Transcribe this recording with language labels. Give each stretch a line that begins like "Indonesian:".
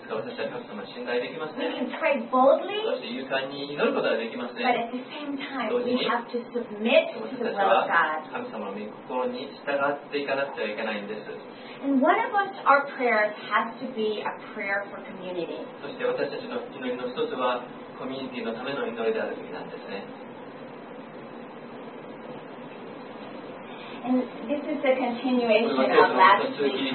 Japanese: 私は神様を信頼できますね。
English: We can pray boldly,
Japanese: そして勇敢に祈ることができますね。
English: But at the same time, we have to submit to the will of God.
Japanese: 神様の御心に従っていかなくてはいけないんです。
English: And one of us, our prayers has to be a prayer for community.
Japanese: そして私たちの祈りの一つはコミュニティのための祈りであるべきなんですね。
English: And this is the continuation of last week.